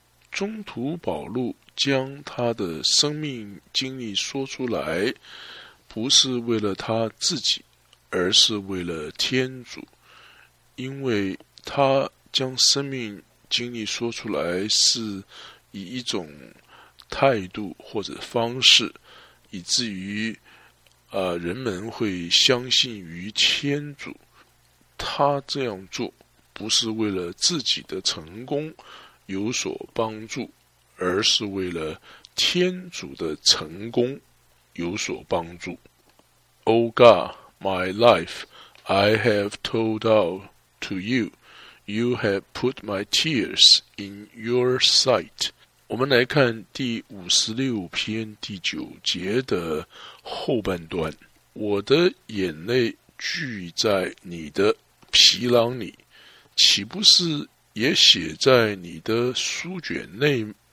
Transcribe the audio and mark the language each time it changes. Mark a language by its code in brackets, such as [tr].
[zh] 中途保禄将他的生命经历说出来，不是为了他自己，而是为了天主，因为他将生命经历说出来是以一种态度或者方式，以至于人们会相信于天主。他这样做不是为了自己的成功有所帮助，而是为了天主的成功有所帮助。 [en] O God, my life I have told out to you, you have put my tears in your sight。 [zh] 我们来看第56篇第九节的后半段：我的眼泪聚在你的皮囊里，岂不是也写在你的书卷内？